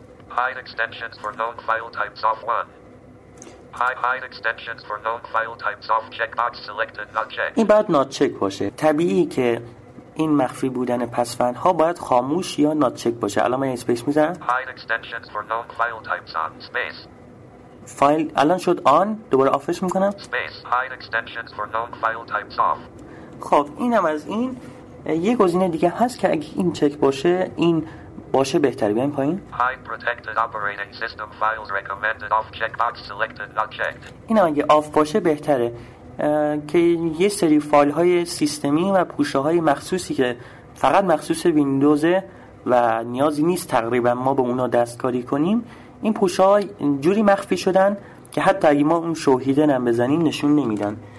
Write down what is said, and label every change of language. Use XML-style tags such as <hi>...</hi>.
<en>hide extensions for known file types off 1. Hide extensions for known file types off checkbox selected not checked.</en> <fa>این باید not check باشه. طبیعی که این مخفی بودن پسوردها باید خاموش یا not check باشه. الان من اسپیس میزنم.</fa> <en>Hide extensions for known file types on space.</en> <fa>فایل الان شد آن، دوباره آفش میکنم.</fa> <en>Space. Hide extensions for known file types off.</en> <fa>خب اینم از این. یه گزینه دیگه هست که اگه این چک باشه، این باشه بهتر. بیایم پایین.</fa> <en>Hide protected operating system files recommended off checkbox selected not checked.</en> <fa>اینا اگه آف باشه بهتره، که یه سری فایل های سیستمی و پوشه های مخصوصی که فقط مخصوص ویندوز و نیازی نیست تقریبا ما به اونا دستکاری کنیم، این پوشه ها جوری مخفی شدن که حتی اگه ما اون شوهیدن هم بزنیم نشون نمیدن.</fa>